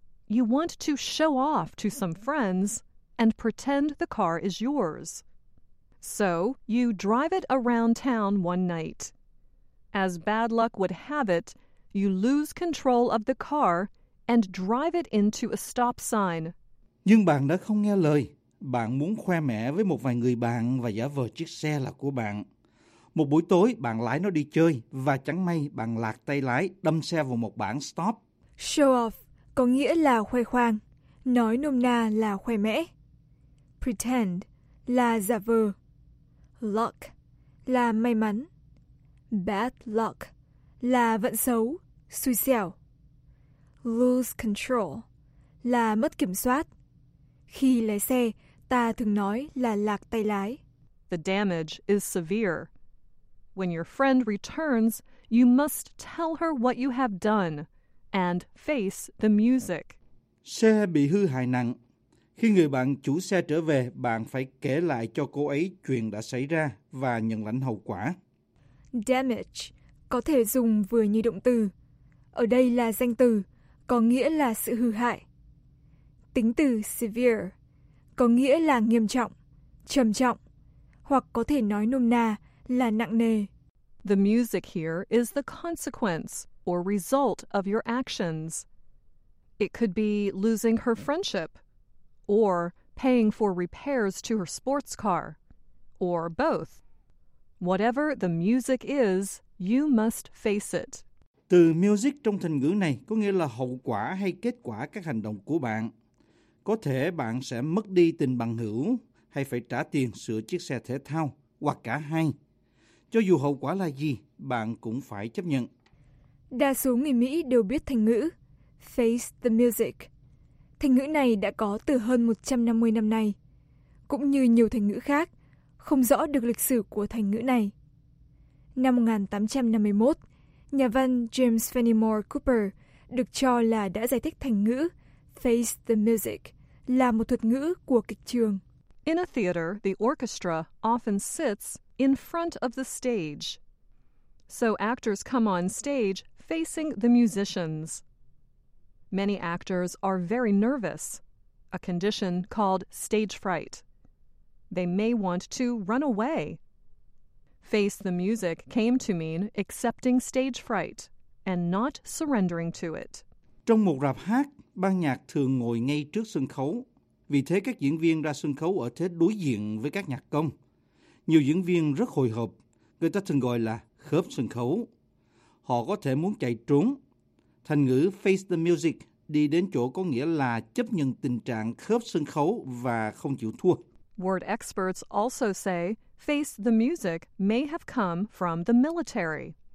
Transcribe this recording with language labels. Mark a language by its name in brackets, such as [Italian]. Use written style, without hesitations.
[English] You want to show off to some friends and pretend the car is yours. So you drive it around town one night. As bad luck would have it, you lose control of the car and drive it into a stop sign. [Vietnamese] Nhưng bạn đã không nghe lời. Bạn muốn khoe mẽ với một vài người bạn và giả vờ chiếc xe là của bạn. Một buổi tối, bạn lái nó đi chơi và chẳng may bạn lạc tay lái, đâm xe vào một bảng stop. Show off có nghĩa là khoe khoang. Nói nôm na là khoe mẽ. Pretend là giả vờ. Luck là may mắn. Bad luck là vận xấu, xui xẻo. Lose control là mất kiểm soát. Khi lái xe, ta thường nói là lạc tay lái. [English] The damage is severe. When your friend returns, you must tell her what you have done and face the music. [Vietnamese] Xe bị hư hại nặng. Khi người bạn chủ xe trở về, bạn phải kể lại cho cô ấy chuyện đã xảy ra và nhận lãnh hậu quả. Damage có thể dùng vừa như động từ. Ở đây là danh từ, có nghĩa là sự hư hại. Tính từ severe có nghĩa là nghiêm trọng, trầm trọng, hoặc có thể nói nôm na là nặng nề. [English] The music here is the consequence or result of your actions. It could be losing her friendship, or paying for repairs to her sports car, or both. Whatever the music is, you must face it. [Vietnamese] Từ music trong thành ngữ này có nghĩa là hậu quả hay kết quả các hành động của bạn. Có thể bạn sẽ mất đi tình bằng hữu hay phải trả tiền sửa chiếc xe thể thao, hoặc cả hai. Cho dù hậu quả là gì, bạn cũng phải chấp nhận. Đa số người Mỹ đều biết thành ngữ [English] face the music. [Vietnamese] Thành ngữ này đã có từ hơn 150 năm nay. Cũng như nhiều thành ngữ khác, không rõ được lịch sử của thành ngữ này. Năm 1851, nhà văn James Fenimore Cooper được cho là đã giải thích thành ngữ [English] face the music [Vietnamese] là một thuật ngữ của kịch trường. [English] In a theater, the orchestra often sits in front of the stage. So actors come on stage facing the musicians. Many actors are very nervous, a condition called stage fright. They may want to run away. Face the music came to mean accepting stage fright and not surrendering to it. [Vietnamese] Trong một rạp hát, ban nhạc thường ngồi ngay trước sân khấu. Vì thế các diễn viên ra sân khấu ở thế đối diện với các nhạc công. Nhiều diễn viên rất hồi hộp, người ta thường gọi là khớp sân khấu. Họ có thể muốn chạy trốn. Thành ngữ [English] face the music [Vietnamese] đi đến chỗ có nghĩa là chấp nhận tình trạng khớp sân khấu và không chịu thua. [English] Word experts also say face the music may have come from the military.